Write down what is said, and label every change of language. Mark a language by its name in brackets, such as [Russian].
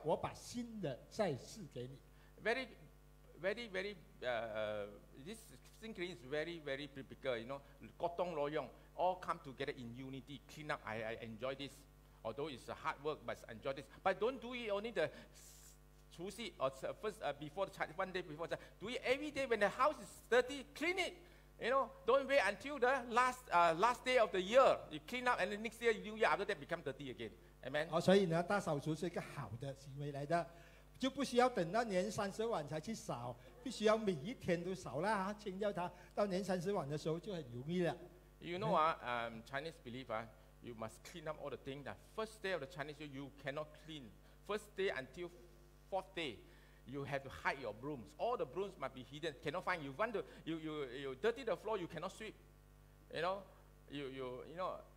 [Chinese] 因为我们只是把一些旧的东西去去掉，引些新的来。以赛亚43章也有讲到，你把那些旧的去掉，我把新的再赐给你。 [English] Very, very, very, this thing is very, very biblical. You know, [Chinese] 国东罗用 [English] all come together in unity. Clean up. I enjoy this, although it's a hard work, but enjoy this. But don't do it only the 除夕 or first before the one day before the. Do it every day when the house is dirty. Clean it. You know, don't wait until the last day of the year. You clean up, and the next year, new year, after that, become dirty again. Amen. [Chinese] 所以呢，大扫除是一个好的行为来的，就不需要等到年三十晚才去扫，必须要每一天都扫啦，请教他到年三十晚的时候就很容易了。 [English] You know, Chinese belief, you must clean up all the things. The first day of the Chinese year, you cannot clean. First day until fourth day. You have to hide your brooms. All the brooms must be hidden. Cannot find. You want to you dirty the floor. You cannot sweep. You know, you know.